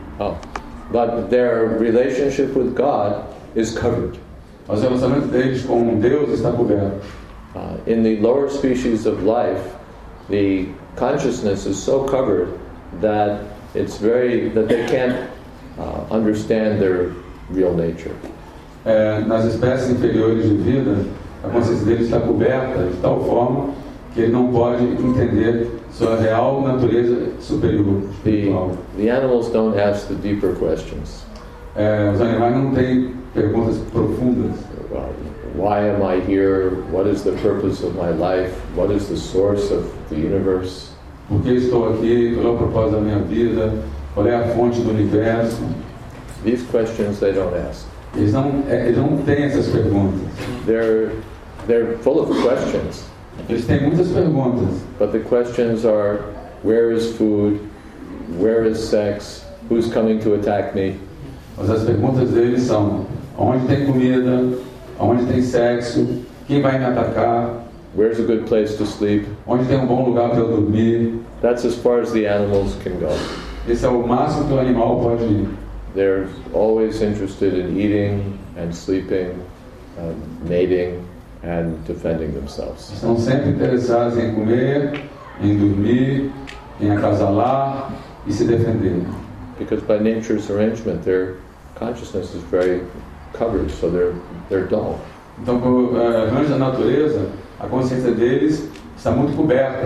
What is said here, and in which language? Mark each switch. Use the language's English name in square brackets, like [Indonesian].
[English] Oh. But their relationship with God is covered. [Portuguese] O relacionamento deles com Deus está coberto. [English] In the lower species of life, the consciousness is so covered that it's very that they can't understand their real nature. [Portuguese] Nas espécies inferiores de vida, a consciência deles está coberta de tal forma que ele não pode entender sua real natureza superior. [English] The animals don't ask the deeper questions. [Portuguese] Os animais não têm perguntas profundas. [English] Why am I here? What is the purpose of my life? What is the source of the universe? [Portuguese] Por que estou aqui? Qual é o propósito da minha vida? Qual é a fonte do universo? [English] These questions they don't ask. [Portuguese] Eles não têm essas perguntas. [English] They're full of questions. [Portuguese] Eles têm muitas perguntas. [English] But the questions are, where is food? Where is sex? Who's coming to attack me? [Portuguese] Mas as perguntas deles são, onde tem comida? Onde tem sexo? Quem vai me atacar? [English] Where's a good place to sleep? [Portuguese] Onde tem um bom lugar para eu dormir? [English] That's as far as the animals can go. [Portuguese] Esse é o máximo que o animal pode ir. [English] They're always interested in eating and sleeping, mating. And defending themselves. [Portuguese] Estão sempre interessados em comer, em dormir, em acasalar e se defender. [English] Because by nature's arrangement, their consciousness is very covered, so they're dull. [Portuguese] Então, por arranjo da natureza, a consciência deles está muito coberta.